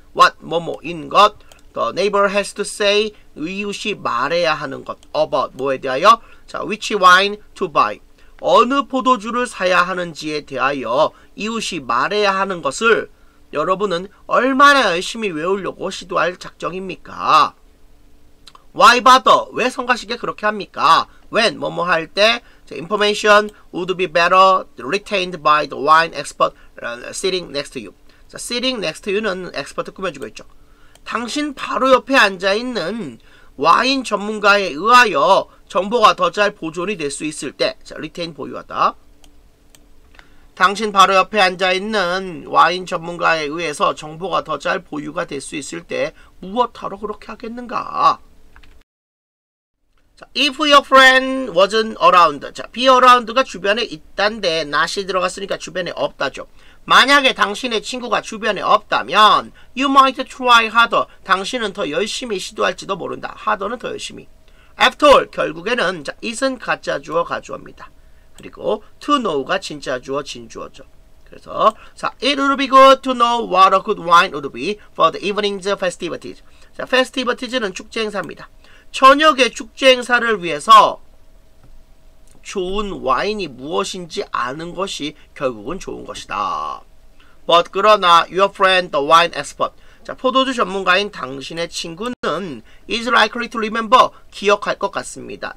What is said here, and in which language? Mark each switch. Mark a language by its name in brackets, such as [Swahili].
[Korean] What, 뭐뭐, in 것, [English] the neighbor has to say, [Korean] 이웃이 말해야 하는 것, about, 뭐에 대하여, 자, [English] which wine to buy, [Korean] 어느 포도주를 사야 하는지에 대하여 이웃이 말해야 하는 것을 여러분은 얼마나 열심히 외우려고 시도할 작정입니까? [English] Why bother? [Korean] 왜 성가시게 그렇게 합니까? [English] When, [Korean] 뭐뭐 할 때, [English] information would be better retained by the wine expert sitting next to you. So sitting next to you는 expert [Korean] 꾸며주고 있죠. 당신 바로 옆에 앉아있는 와인 전문가에 의하여 정보가 더 잘 보존이 될 수 있을 때, 자, retain 보유하다. 당신 바로 옆에 앉아있는 와인 전문가에 의해서 정보가 더 잘 보유가 될 수 있을 때 무엇하러 그렇게 하겠는가? 자, [English] if your friend wasn't around, [Korean] 자, be around가 주변에 있단데 not이 들어갔으니까 주변에 없다죠. 만약에 당신의 친구가 주변에 없다면 [English] you might try harder, [Korean] 당신은 더 열심히 시도할지도 모른다. harder는 더 열심히. After all, 결국에는 자, isn't 가짜 주어 가져옵니다. 그리고 to know가 진짜 주어 진주어죠. [English] 그래서 자, it would be good to know what a good wine would be for the evening's festivities. [Korean] 자, festivities는 축제 행사입니다. 저녁의 축제 행사를 위해서 좋은 와인이 무엇인지 아는 것이 결국은 좋은 것이다. But 그러나 [English] your friend the wine expert. [Korean] 자, 포도주 전문가인 당신의 친구는 [English] is likely to remember [Korean] 기억할 것 같습니다.